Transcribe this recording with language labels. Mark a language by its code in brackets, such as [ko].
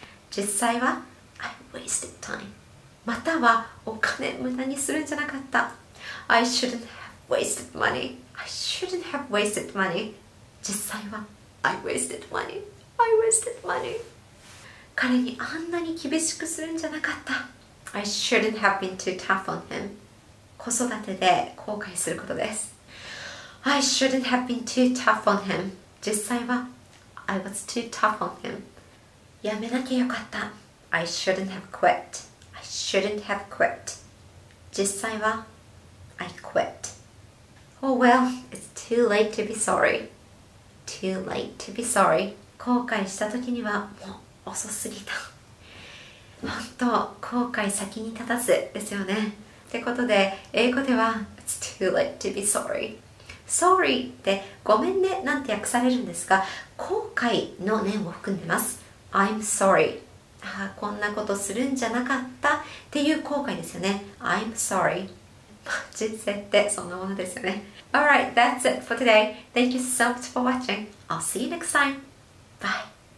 [ja] 実際は [en] I wasted time. [ja] またはお金無駄にするんじゃなかった。 [en] I shouldn't have wasted money. I shouldn't have wasted money. [ja] 実際は [en] I wasted money. I wasted money. [ja] 彼にあんなに厳しくするんじゃなかった。 [en] I shouldn't have been too tough on him. [ja] 子育てで後悔することです。 [en] I shouldn't have been too tough on him. [ja] 実際は [en] I was too tough on him. [ja] やめなきゃよかった。 [en] I shouldn't have quit.Shouldn't have quit. [ja] 実際は [en] I quit. Oh well, it's too late to be sorry. Too late to be sorry. [ja] 後悔した時にはもう遅すぎた。本当、後悔先に立たずですよね。ってことで、英語では [en] It's too late to be sorry. [ja] Sorry ってごめんねなんて訳されるんですが、後悔の念を含んでます。 [en] I'm sorry. [ja] あ、こんなことするんじゃなかったっていう後悔ですよね。 [en] I'm sorry. [ja] 人生ってそんなものですよね。 [en] Alright, that's it for today. Thank you so much for watching. I'll see you next time. Bye.